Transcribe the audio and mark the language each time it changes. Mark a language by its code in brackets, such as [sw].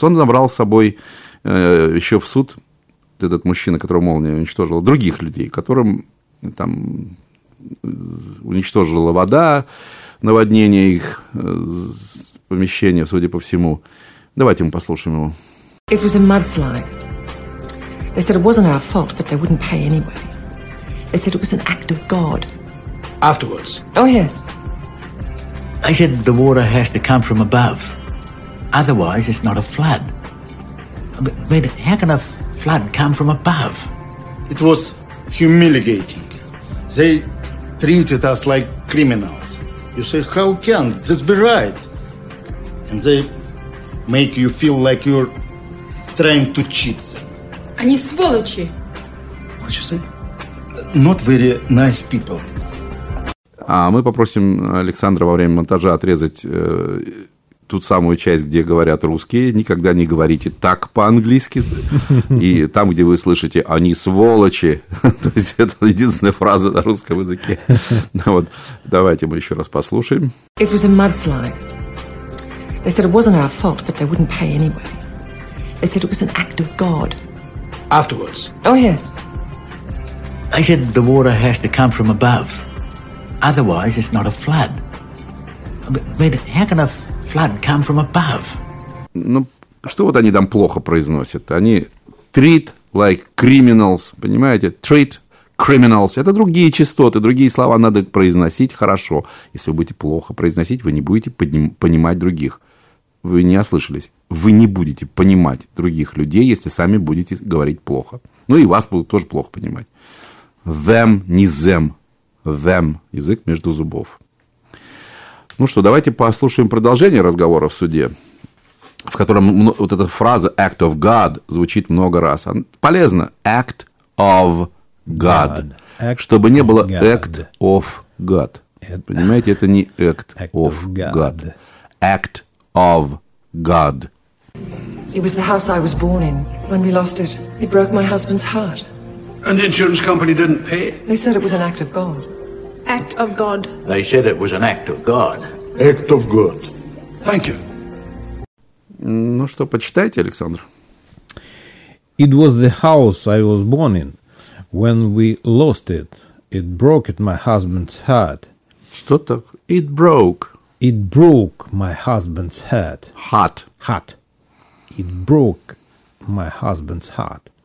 [ru] Он набрал с собой еще в суд этот мужчина, которого молния уничтожила, других людей, которым там уничтожила вода, наводнение их помещения, судя по всему. Давайте мы послушаем его. [en] It was a mudslide. They said it wasn't our fault, but they wouldn't pay anyway. They said it was an act of God. Afterwards? Oh, yes. They said the water has to come from above. Otherwise, it's not a flood. But how can a flood come from above? It was humiliating. They treated us like criminals. You say, how can this be right? And they make you feel like you're trying to cheat them. [ru] Они сволочи. [en] What you say? Not very nice people. [ru] А мы попросим Александра во время монтажа отрезать ту самую часть, где говорят русские, никогда не говорите так по-английски. И там, где вы слышите «они сволочи», то есть это единственная фраза на русском языке. Вот, давайте мы еще раз послушаем. [en] It was a mudslide. They said it wasn't our fault, but they wouldn't pay anyway. They said it was an act of God. Afterwards? Oh, yes. They said the water has to come from above. Otherwise, it's not a flood. But how can a flood come from above? [ru] Ну, что вот они там плохо произносят? Они [en] treat like criminals, [ru] понимаете? [en] Treat criminals. [ru] Это другие частоты, другие слова надо произносить хорошо. Если вы будете плохо произносить, вы не будете понимать других. Вы не ослышались. Вы не будете понимать других людей, если сами будете говорить плохо. Ну, и вас будут тоже плохо понимать. Them, не them. Them. Язык между зубов. Ну что, давайте послушаем продолжение разговора в суде, в котором вот эта фраза «act of God» звучит много раз. Полезно. [en] «Act of God». Act [ru] чтобы не было [en] God. «act of God». [ru] Понимаете, это не [en] «act, act of God. God». «Act of God». It was the house I was born in when we lost it. It broke my husband's heart. And the insurance company didn't pay? They said it was an act of God. Act of God. They said it was an act of God. Act of God. Thank you. [ru] Ну что, почитайте, Александр. [en] It was the house I was born in. When we lost it, it broke my husband's heart. [ru] Что так? [en] It broke. It broke my husband's heart. Heart. Heart. It broke my husband's heart.